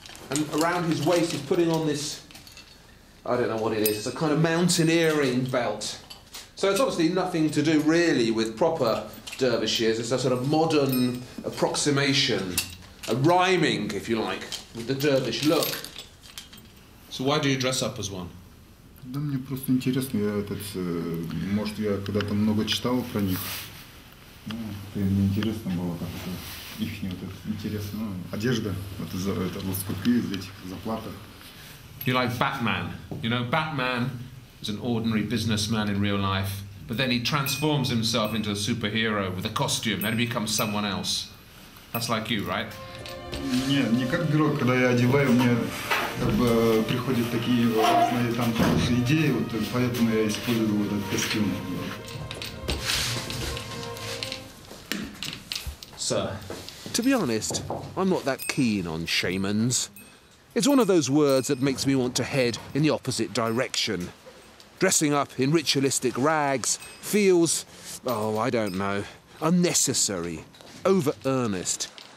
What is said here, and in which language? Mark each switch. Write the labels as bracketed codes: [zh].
[en] And around his waist, he's putting on this, I don't know what it is, it's a kind of mountaineering belt. So it's obviously nothing to do really with proper dervishes. It's a sort of modern approximation, a rhyming, if you like, with the dervish look. So why do you dress up as one? [ru] Да мне просто интересно. Я этот, может, я когда-то много читал про них. Ну, мне интересно было как-то ихний вот этот интерес. Ну, одежда, вот это лоскуты из этих заплаток. [en] You like Batman? You know, Batman is an ordinary businessman in real life. But then he transforms himself into a superhero with a costume and he becomes someone else. That's like you, right? [ru] Не, не как бюро, когда я одеваю, мне как бы приходят такие разные там идеи, вот поэтому я использую вот этот костюм. [en] Sir. To be honest, I'm not that keen on shamans. It's one of those words that makes me want to head in the opposite direction. Dressing up in ritualistic rags feels, oh, I don't know, unnecessary, over-earnest.